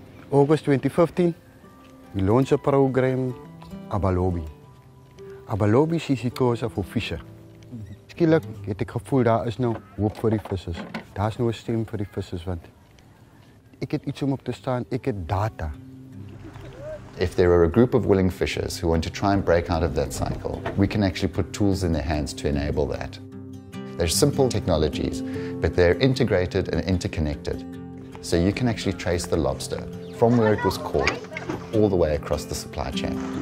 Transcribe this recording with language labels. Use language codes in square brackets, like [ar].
[en] August 2015, we launched a program, ABALOBI. ABALOBI is the cause for fishing. [af] Skielik het ek gevoel daar is nou hoop vir die vissers. Daar is nou 'n stem vir die vissers, want ek het iets om op te staan, ek het data. [en] If there are a group of willing fishers who want to try and break out of that cycle, we can actually put tools in their hands to enable that. They're simple technologies, but they're integrated and interconnected. So you can actually trace the lobster from where it was caught all the way across the supply chain.